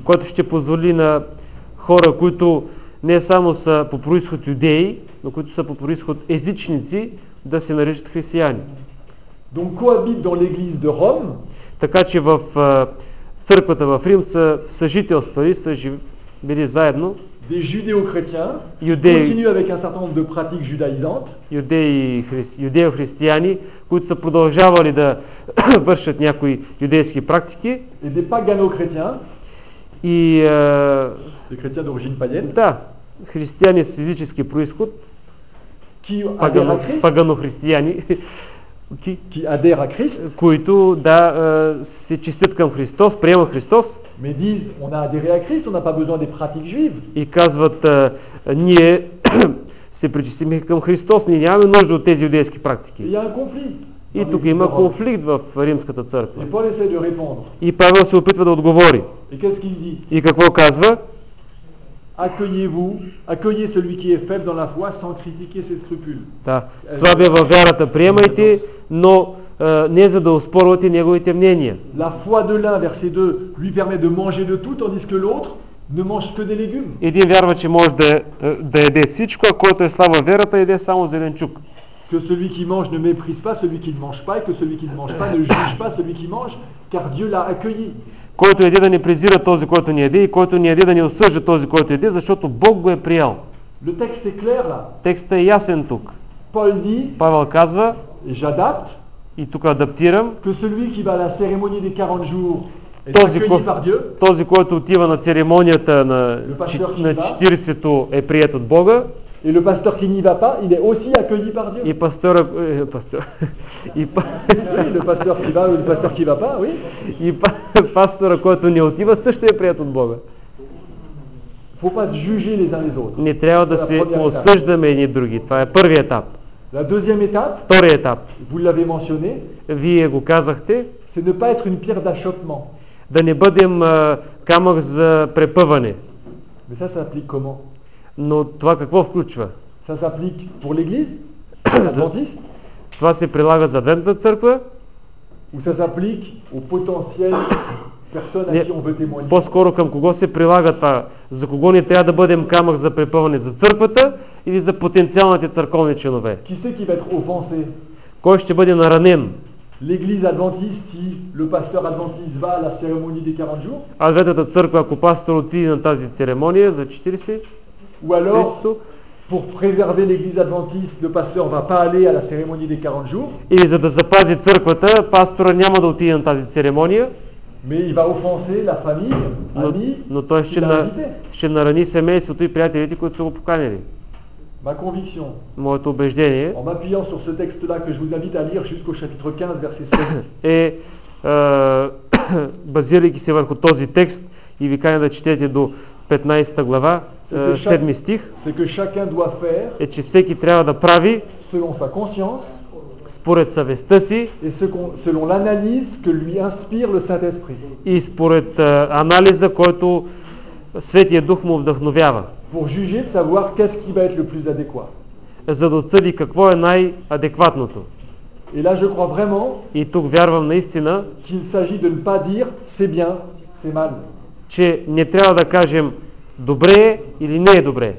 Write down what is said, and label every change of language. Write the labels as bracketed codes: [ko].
[bg] Което ще позволи на хора, които не само са по произход юдеи, но които са по произход езичници, да се наричат християни. [fr] Donc cohabitent dans l'église de Rome. [bg] Така че в църквата в Рим са съжителствали, са били заедно. [fr] Des judéo-chrétiens continuent avec un certain nombre de pratiques judaïsantes. [bg] Юдеохристияни, които са продължавали да вършат някои юдейски практики. [fr] Et des pagano-chrétiens. [bg] И [fr] des chrétiens d'origine païenne. [bg] Да, християни с езически происход. [fr] Qui adhèrent à Christ. [bg] Пагано-християни. [fr] Qui adhèrent à Christ. [bg] Които да се честят към Христос, приемат Христос. [fr] Mais disent, on a adhéré à Christ, on n'a pas besoin des pratiques juives. [bg] И казват, ние се причислиме към Христос, ние нямаме нужда от тези юдейски практики. [fr] Il y a un conflit. [bg] И тук има конфликт в римската църква. [fr] Et Paul essaie de répondre. [bg] И Павел се опитва да отговори. [fr] Et qu'est-ce qu'il dit? [bg] И какво казва? [fr] Accueillez-vous, accueillez celui qui est faible dans la foi sans critiquer ses scrupules. [bg] Да, слабия във вярата приемайте, но не за да оспорвате неговите мнения. [fr] La foi de l'un, verset 2, lui permet de manger de tout, tandis que l'autre ne mange que des légumes. [bg] Един вярва, че може да яде всичко, а който е слаб във вярата, яде само зеленчук. [fr] Que celui qui mange ne méprise pas celui qui ne mange pas, et que celui qui ne mange pas ne juge pas celui qui mange, car Dieu l'a accueilli. [bg] Който яде да не презира този, който не яде, и който не яде да не осъжда този, който яде, защото Бог го е приял. [fr] Le texte est clair là. [bg] Текстът е ясен тук. [fr] Paul dit, [bg] Павел казва, [fr] et j'adapte, [bg] и тук адаптирам, [fr] que celui qui va à la cérémonie des 40 jours est accueilli par Dieu. [bg] Този, който отива на церемонията на, на 40-то, е прият от Бога. [fr] Et le pasteur qui n'y va pas, il est aussi accueilli par Dieu. Et pasteur, pasteur, oui, le pasteur qui va ou le pasteur qui va pas, oui. [bg] Pasteur, който не отива, също е прият от Бога. [fr] Faut pas juger les uns les autres. [bg] Не трябва да се осъждаме едни други. Това е първият етап. [fr] La deuxième étape. [bg] Вторият етап. [fr] Vous l'avez mentionné. [bg] Вие го казахте. [fr] C'est ne pas être une pierre d'achoppement. [bg] Да не бъдем камък за препъване. [fr] Mais ça s'applique comment? [bg] Но това какво включва? [fr] Ça s'applique pour l'église? Adventiste? [bg] Това се прилага за адвентната църква? [fr] Ou ça s'applique aux potentielles personnes à qui on veut témoigner? [bg] По-скоро към кого се прилага това? За кого ни трябва да бъдем камък за препъване? За църквата или за потенциалните църковни членове? [fr] Qui c'est qui va être offensé? [bg] Кой ще бъде наранен? [fr] L'église adventiste, si le pasteur adventiste va à la cérémonie des 40 jours? [bg] Адвентната църква, ако пастор отиде на тази церемония за 40? [fr] Ou alors, pour préserver l'église adventiste, le pasteur va pas aller à la cérémonie des 40 jours. [bg] Или за да запази църквата, пастора няма да отиде на тази церемония. [fr] Mais il va offenser la famille, amis, [bg] но той ще нарани семейството и приятелите, които са го поканили. [fr] Ma conviction. [bg] Моето убеждение. [fr] En m'appuyant sur ce texte-là que je vous invite à lire jusqu'au chapitre 15, verset 7. [bg] базирайки се върху този текст и ви каня да четете до 15-та глава, 7 стих, [fr] c'est que chacun doit faire et que [bg] всеки трябва да прави [fr] selon sa conscience, [bg] според съвестта си и [fr] selon l'analyse que lui inspire le Saint-Esprit. [bg] И според анализа, който Светия Дух му вдъхновява. [fr] Pour juger de savoir qu'est-ce qui va être le plus adéquat. [bg] За да оцели какво е най-адекватното. [fr] Et là je crois vraiment. [bg] И тук вярвам наистина, [fr] qu'il s'agit de ne pas dire c'est bien, c'est mal. [bg] Че не трябва да кажем добре е или не е добре.